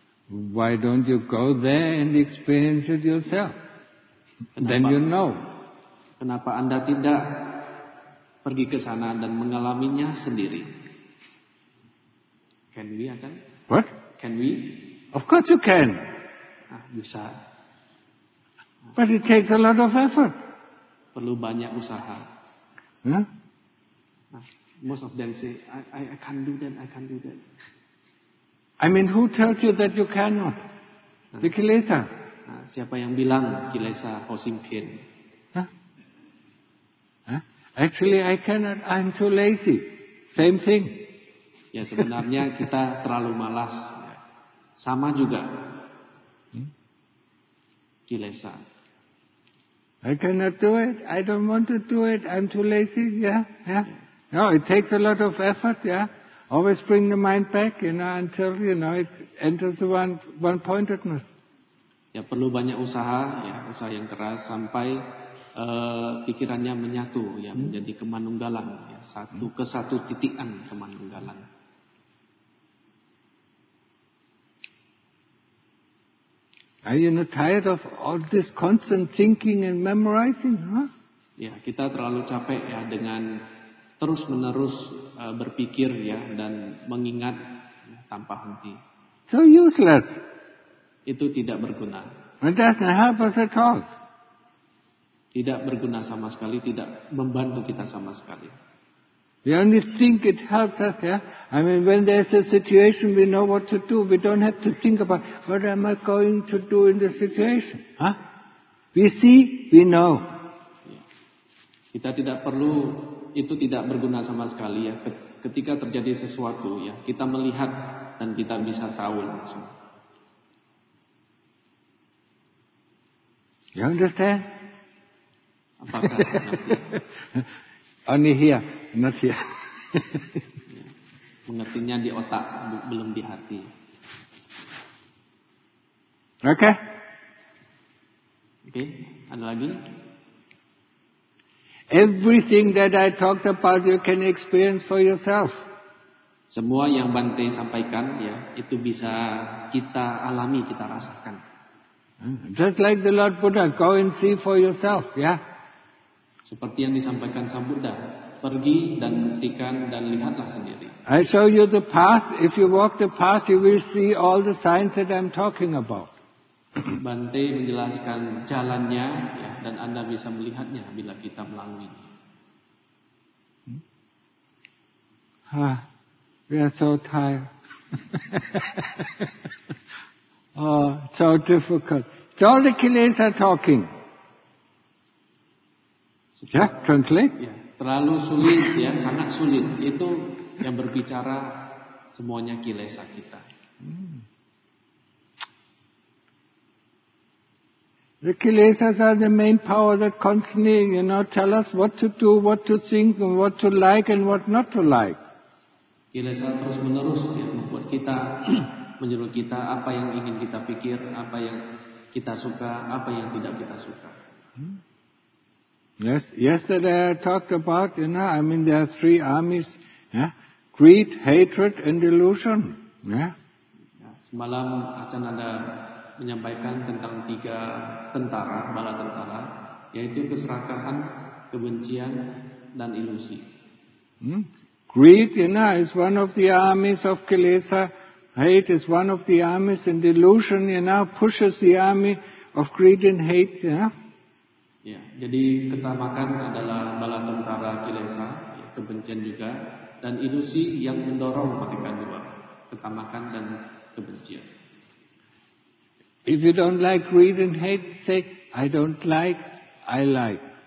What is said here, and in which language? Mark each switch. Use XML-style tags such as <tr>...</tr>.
<en>Why don't you go there and experience it yourself?</en> <id>Kenapa,</id> <en>then you know.</en> <id>Kenapa Anda tidak pergi ke sana dan mengalaminya sendiri?</id> <en>Can we, Achan? What? Can we? Of course you can.</en> <id>Bisa.</id> <en>But it takes a lot of effort.</en> <id>Perlu banyak usaha. Huh?</id> <en>Most of them say, I can't do that, I can't do that. I mean, who tells you that you cannot? The kilesa.</en> <id>Siapa yang bilang kilesa hosimpien?</id> <en>Actually, I cannot. I'm too lazy. Same thing.</en> <id>Ya, sebenarnya kita terlalu malas. Sama juga.</id> <pi>Kilesa.</pi> <en>I cannot do it. I don't want to do it. I'm too lazy. Yeah. No, it takes a lot of effort. Yeah. Always bring the mind back, you know, until you know it enters the one-pointedness.</en> <id>Ya, perlu banyak usaha, ya, usaha yang keras sampai pikirannya menyatu, ya, menjadi kemanunggalan, ya, satu ke satu titikan kemanunggalan.</id> <en>Are you not tired of all this constant thinking and memorizing, huh?</en> <id>Ya, kita terlalu capek ya dengan terus-menerus berpikir ya dan mengingat ya, tanpa henti.</id> <en>So useless.</en> <id>Itu tidak berguna.</id> <en>It doesn't help us at all.</en> <id>Tidak berguna sama sekali, tidak membantu kita sama sekali.</id> <en>We only think it helps us, yeah? I mean, when there's a situation, we know what to do. We don't have to think about, what am I going to do in this situation? Huh? We see, we know.</en> <id>Kita tidak perlu, itu tidak berguna sama sekali, ya. Ketika terjadi sesuatu, ya, kita melihat dan kita bisa tahu langsung.</id> <en>You understand?</en> <id>Apakah mengerti?</id> <en>Only here, not here.</en> <id>Mengertinya di otak, belum di hati.</id> <en>Okay.</en> <id>Okay, ada lagi?</id> <en>Everything that I talked about, you can experience for yourself.</en> <id>Semua yang Bante sampaikan, ya, itu bisa kita alami, kita rasakan.</id> <en>Just like the Lord Buddha, go and see for yourself, yeah.</en> <id>Seperti yang disampaikan Sang Buddha, pergi dan buktikan dan lihatlah sendiri.</id> <en>I show you the path. If you walk the path, you will see all the signs that I'm talking about.</en> <id>Bante menjelaskan jalannya, ya, dan Anda bisa melihatnya bila kita melalui.</id> <en>We are so tired. Oh, so difficult. It's all the kilesa talking. Yeah, translate.</en> <id>Ya, terlalu sulit, ya, sangat sulit. Itu yang berbicara semuanya kilesa kita.</id> <en>The kilesas are the main power that constantly, you know, tell us what to do, what to think, and what to like and what not to like.</en> <id>Kilesa terus menerus ya, membuat kita, menyuruh kita apa yang ingin kita pikir, apa yang kita suka, apa yang tidak kita suka.</id> <en>Yes, yesterday I talked about, you know, I mean there are three armies, yeah, greed, hatred, and delusion. Yeah.</en> <id>Semalam Achan ada menyampaikan tentang tiga tentara, bala tentara, yaitu keserakahan, kebencian, dan ilusi.</id> <en>Greed, you know, is one of the armies of kilesa. Hate is one of the armies, and delusion, you know, pushes the army of greed and hate. Yeah.</en> <id>Ya, jadi ketamakan adalah bala tentara kilesa, kebencian juga, dan ilusi yang mendorong mereka dua, ketamakan dan kebencian.</id> <en>If you don't like greed and hate, say I don't like, I like.</en>